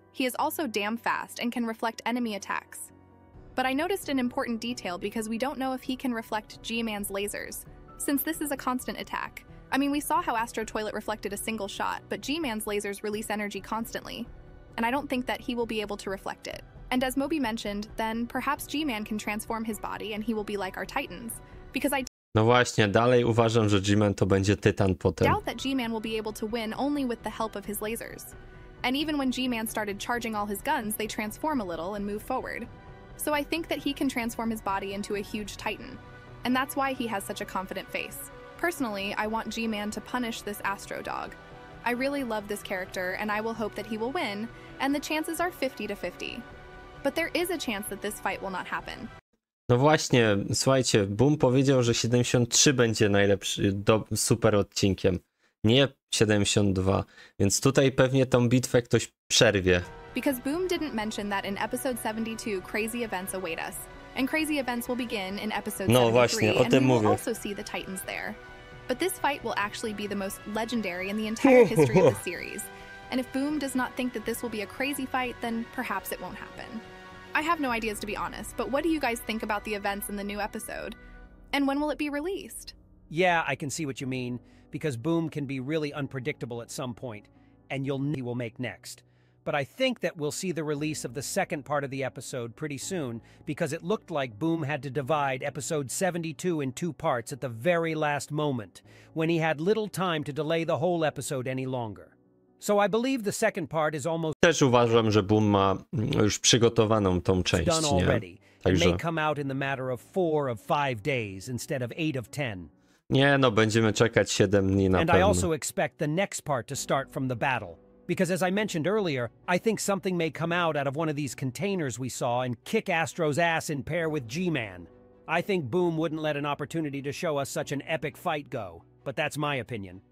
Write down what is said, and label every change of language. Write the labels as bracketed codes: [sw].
[en] He is also damn fast and can reflect enemy attacks. But I noticed an important detail because we don't know if he can reflect G-Man's lasers, since this is a constant attack. I mean, we saw how Astro Toilet reflected a single shot, but G-Man's lasers release energy constantly, and I don't think that he will be able to reflect it. And as Moby mentioned, then perhaps G-Man can transform his body and he will be like our Titans, because I [pl] No właśnie, dalej uważam, że G-Man to będzie tytan potem. [en] Doubt that G-Man will be able to win only with the help of his lasers. And even when G-Man started charging all his guns, they transform a little and move forward. So I think that he can transform his body into a huge Titan. And that's why he has such a confident face. Personally, I want G-Man to punish this Astro Dog. I really love this character, and I will hope that he will win, and the chances are 50-50. But there is a chance that this fight will not happen. [pl] No właśnie, słuchajcie, Boom powiedział, że 73 będzie najlepszy, super odcinkiem. Nie 72, więc tutaj pewnie tą bitwę ktoś przerwie. [en] Because Boom didn't mention that in episode 72 crazy events await us. And crazy events will begin in episode 73, and we will also see the Titans there. But this fight will actually be the most legendary in the entire history of the series. And if Boom does not think that this will be a crazy fight, then perhaps it won't happen. I have no ideas to be honest, but what do you guys think about the events in the new episode? And when will it be released? Yeah, I can see what you mean, because Boom can be really unpredictable at some point, and you'll know what he will make next. But I think that we'll see the release of the second part of the episode pretty soon, because it looked like Boom had to divide episode 72 in two parts at the very last moment, when he had little time to delay the whole episode any longer. So I believe the second part is almost [pl] Też uważam, że Boom ma już przygotowaną tą część, [en] done [pl] nie? [en] already. [pl] Także... [en] It may come out in the matter of 4 of 5 days instead of 8 of 10. [pl] Nie, no będziemy czekać 7 dni na [en] and [pl] pewno. [en] And I also expect the next part to start from the battle. Because as I mentioned earlier, I think something may come out of one of these containers we saw and kick Astro's ass in pair with G-Man. I think Boom wouldn't let an opportunity to show us such an epic fight go. But that's my opinion.